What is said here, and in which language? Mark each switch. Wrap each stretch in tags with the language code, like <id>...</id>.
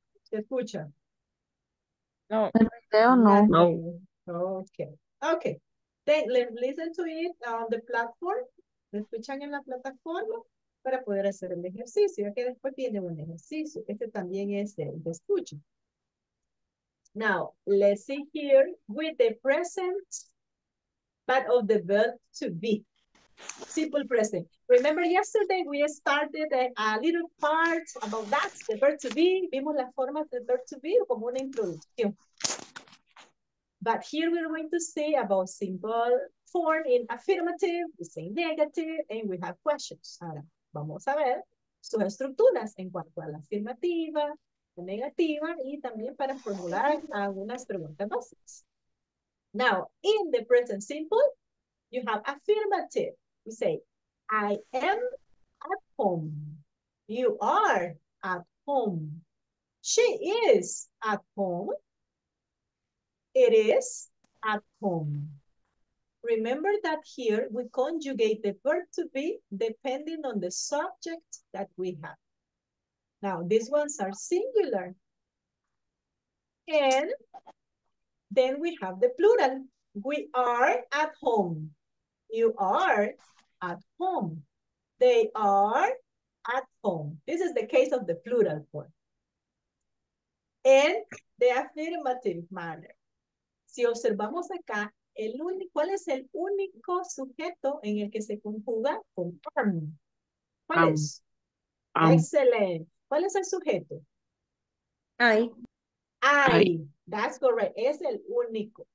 <es>¿Te escuchan? No. No. No.</es> <en>Okay. Okay. Then listen to it on the platform.</en> <es>Lo escuchan en la plataforma para poder hacer el ejercicio. Ya que después viene un ejercicio. Este también es el de escucha.</es> <en>Now, let's see here with the present part of the verb to be. Simple present. Remember yesterday we started a little part about that, the verb to be.</en> <es>Vimos las formas del verb to be como una introducción.</es> <en>But here we're going to see about simple form in affirmative, we say negative, and we have questions.</en> <es>Ahora, vamos a ver sus estructuras en cuanto a la afirmativa, la negativa, y también para formular algunas preguntas básicas.</es> <en>Now, in the present simple, you have affirmative. We say, I am at home. You are at home. She is at home. It is at home. Remember that here we conjugate the verb to be depending on the subject that we have. Now, these ones are singular. And then we have the plural. We are at home. You are at home. They are at home. This is the case of the plural form. And the affirmative manner.</en> <es>Si observamos acá, ¿cuál es el único sujeto en el que se conjuga con am? ¿Cuál es? Excelente. ¿Cuál es el sujeto?</es> <en>I. I. That's correct.</en> <es>Es el único.</es>